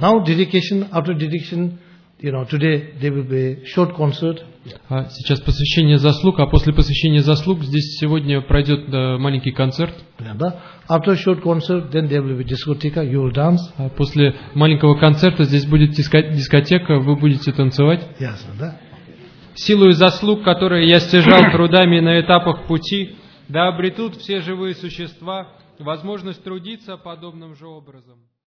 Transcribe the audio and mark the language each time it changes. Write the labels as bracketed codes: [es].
[en] Now dedication, after dedication, you know, today there will be short concert. [ru] А сейчас посвящение заслуг, а после посвящения заслуг здесь сегодня пройдет маленький концерт. [en] After short concert, then there will be discotheca, you will dance. [ru] А после маленького концерта здесь будет дискотека, вы будете танцевать. Ясно, да? Силою заслуг, которые я стяжал трудами на этапах пути, да обретут все живые существа возможность трудиться подобным же образом.